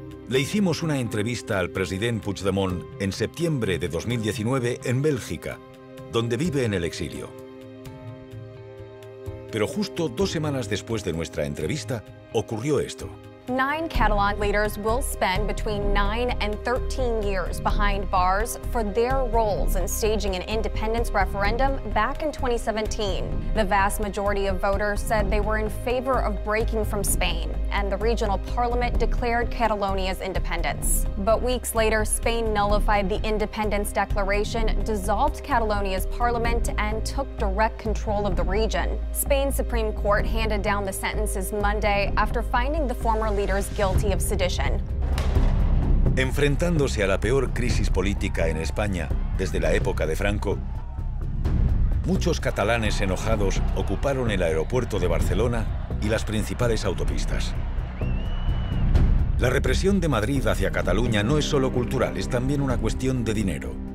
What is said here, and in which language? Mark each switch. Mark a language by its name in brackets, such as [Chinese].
[Spanish] Le hicimos una entrevista al presidente Puigdemont en septiembre de 2019 en Bélgica, donde vive en el exilio. Pero justo dos semanas después de nuestra entrevista, ocurrió esto. [English] 9 Catalan leaders will spend between 9 and 13 years behind bars for their roles in staging an independence referendum back in 2017. The vast majority of voters said they were in favor of breaking from Spain, and the regional parliament declared Catalonia's independence. But weeks later, Spain nullified the independence declaration, dissolved Catalonia's parliament, and took direct control of the region. Spain's Supreme Court handed down the sentences Monday after finding the former leaders guilty of sedition. [Spanish] Enfrentándose a la peor crisis política en España desde la época de Franco, muchos catalanes enojados ocuparon el aeropuerto de Barcelona y las principales autopistas. La represión de Madrid hacia Cataluña no es solo cultural, es también una cuestión de dinero.